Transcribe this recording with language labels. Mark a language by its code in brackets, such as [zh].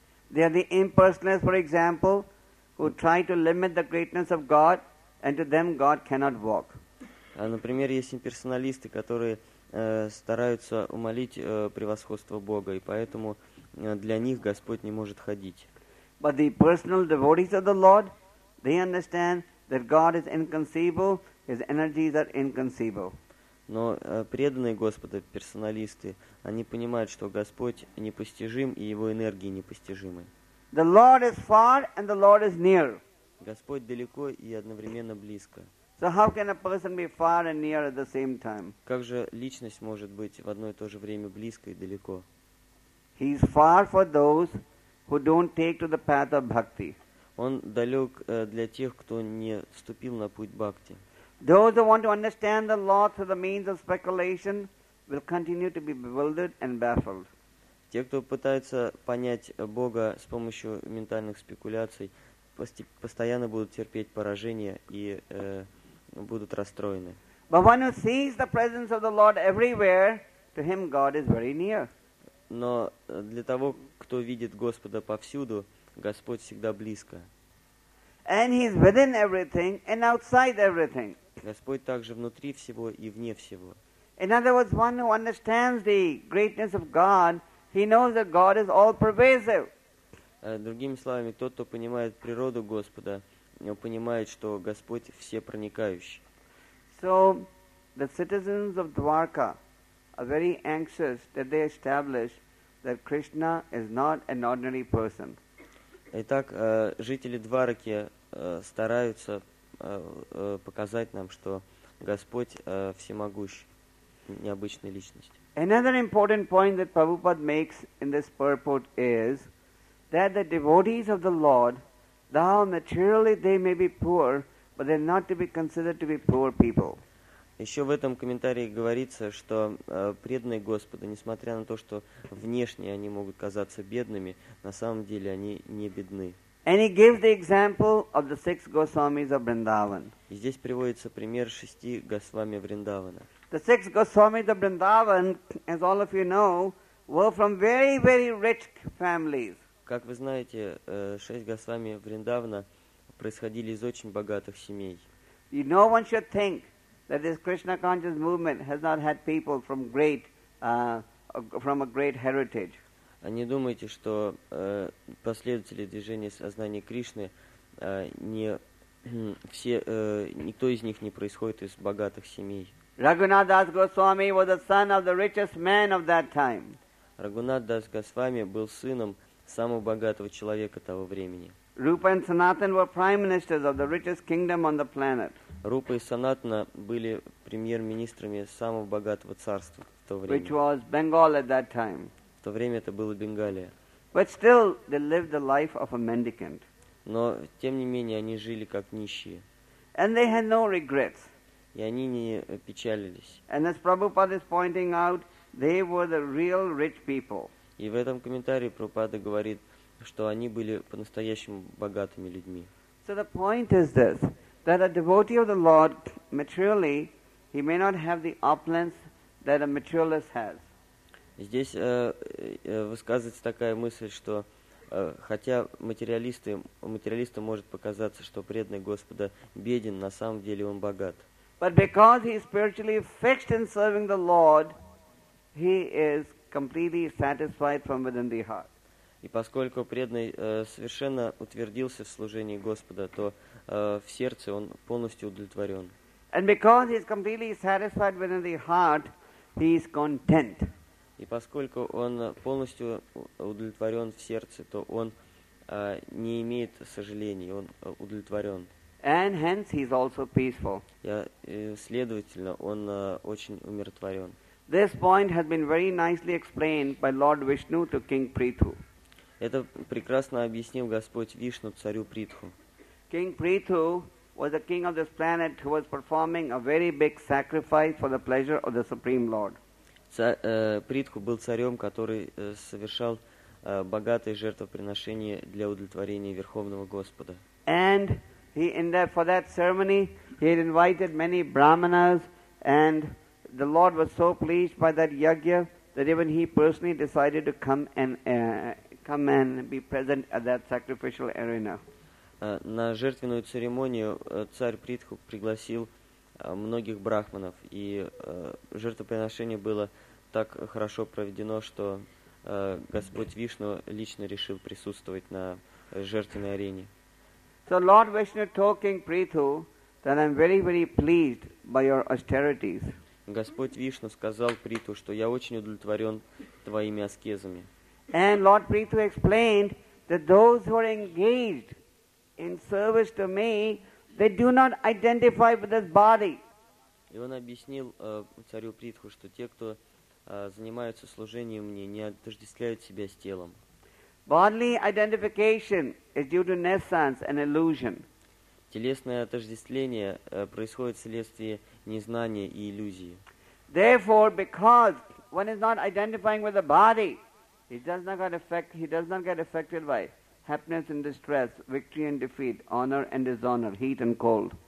[en] They are the impersonalists, for example, who try to limit the greatness of God, and to them God cannot walk. [ru] Например, есть имперсоналисты, которые стараются умолить превосходство Бога, и поэтому для них Господь не может ходить. [en] But the personal devotees of the Lord, they understand that God is inconceivable, his energies are inconceivable. [ru] Но преданные Господа, персоналисты, они понимают, что Господь непостижим, и его энергии непостижимы. [en] The Lord is far and the Lord is near. [ru] Господь далеко и одновременно близко. [en] So how can a person be far and near at the same time? [ru] Как же личность может быть в одно и то же время близко и далеко? [en] He is far for those who don't take to the path of bhakti. [ru] Он далек для тех, кто не вступил на путь бхакти. [en] Those who want to understand the law through the means of speculation will continue to be bewildered and baffled. [ru] Те, кто пытается понять Бога с помощью ментальных спекуляций, постоянно будут терпеть поражение и будут расстроены. [en] But one who sees the presence of the Lord everywhere, to him God is very near. [ru] Но для того, кто видит Господа повсюду, Господь всегда близко. [en] And he is within everything and outside everything. [ru] Господь также внутри всего и вне всего. [en] In other words, one who understands the greatness of God, He knows that God is all pervasive. [ru] Другими словами, тот, кто понимает природу Господа, он понимает, что Господь всепроникающий. [en] So the citizens of Dwarka are very anxious that they establish that Krishna is not an ordinary person. [ru] Итак, жители Двараки стараются показать нам, что Господь всемогущий, необычная личность. [en] Another important point that Prabhupada makes in this purport is that the devotees of the Lord, though materially they may be poor, but they're not to be considered to be poor people. [ru] Еще в этом комментарии говорится, что преданные Господа, несмотря на то, что внешне они могут казаться бедными, на самом деле они не бедны. [en] And he gives the example of the six Goswamis of Vrindavan. [ru] И здесь приводится пример шести Госвами Вриндавана. [en] The six Goswamis of Vrindavan, as all of you know, were from very, very rich families. [ru] Как вы знаете, шесть Госвами Вриндавана происходили из очень богатых семей. [en] You no one should think that this Krishna conscious movement has not had people from great, from a great heritage. [ru] Не думайте, что последователи движения сознания Кришны не все, никто из них не происходит из богатых семей. [en] Raghunath Das Goswami was the son of the richest man of that time. [ru] Raghunath Das Goswami был сыном самого богатого человека того времени. [en] Rupa and Sanatan were prime ministers of the richest kingdom on the planet. [ru] Рупа и Санатана были премьер-министрами самого богатого царства в то время. [en] Which was Bengal at that time. [ru] В то время это было Бенгалия. [en] But still, they lived the life of a mendicant. [ru] Но, тем не менее, они жили как нищие. [en] And they had no regrets. [ru] И они не печалились. [en] And as Prabhupada is pointing out, they were the real rich people. [ru] И в этом комментарии Прабхупада говорит, что они были по-настоящему богатыми людьми. [en] So the point is this. That a devotee of the Lord, materially, he may not have the opulence that a materialist has. [ru] Здесь высказывается такая мысль, что хотя материалисту может показаться, что преданный Господа беден, на самом деле он богат. [en] But because he is spiritually fixed in serving the Lord, he is completely satisfied from within the heart. [ru] И поскольку преданный совершенно утвердился в служении Господа, то в сердце он полностью удовлетворен. [en] And because he is completely satisfied within the heart, he is content. [ru] И поскольку он полностью удовлетворен в сердце, то он не имеет сожалений, он удовлетворен. [en] And hence he is also peaceful. [ru] Следовательно, он очень умиротворен. [en] This point has been very nicely explained by Lord Vishnu to King Prithu. [ru] Это прекрасно объяснил Господь Вишну царю Притху. [en] King Prithu was the king of this planet who was performing a very big sacrifice for the pleasure of the Supreme Lord. [ru] Притху был царем, который совершал богатые жертвоприношения для удовлетворения Верховного Господа. [en] And he in that for that ceremony he had invited many brahmanas, and the Lord was so pleased by that yagya that even he personally decided to come and come and be present at that sacrificial arena. [ru] На жертвенную церемонию царь Притху пригласил многих брахманов, и жертвоприношение было так хорошо проведено, что Господь Вишну лично решил присутствовать на жертвенной арене. [en] So Lord Vishnu told King Prithu that I'm very, very pleased by your austerities. [ru] Господь Вишну сказал Притху, что я очень удовлетворен твоими аскезами. [en] And Lord Prithu explained that those who are engaged in service to me, they do not identify with this body. [ru] И он объяснил царю Притху, что те, кто занимаются служением мне, не отождествляют себя с телом. [en] Bodily identification is due to nescience and illusion. [ru] Телесное отождествление происходит вследствие незнания и иллюзии. [en] Therefore, because one is not identifying with the body, He does not get affected by happiness and distress, victory and defeat, honor and dishonor, heat and cold.